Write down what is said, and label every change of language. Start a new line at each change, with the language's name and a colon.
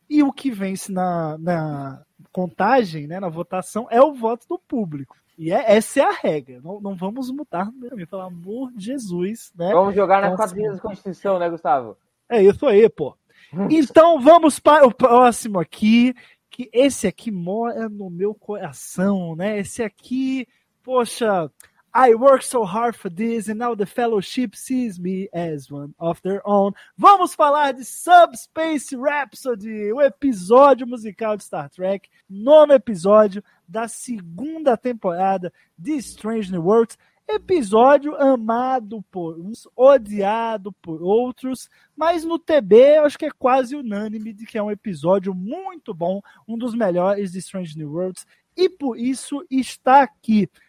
Portuguese: E o que vence na contagem, né, na votação, é o voto do público. E essa é a regra, não vamos mudar, pelo amor de Jesus, né? Vamos jogar na quadrinha da Constituição, né, Gustavo? É isso aí, pô. Então vamos para o próximo aqui, que esse aqui mora no meu coração, né? Esse aqui, poxa,
English: I worked so hard for this and now the fellowship sees me as one of their own.
Portuguese: Vamos falar de Subspace Rhapsody, o episódio musical de Star Trek, nono episódio da segunda temporada de Strange New Worlds, episódio amado por uns, odiado por outros, mas no TB eu acho que é quase unânime de que é um episódio muito bom, um dos melhores de Strange New Worlds, e por isso está aqui.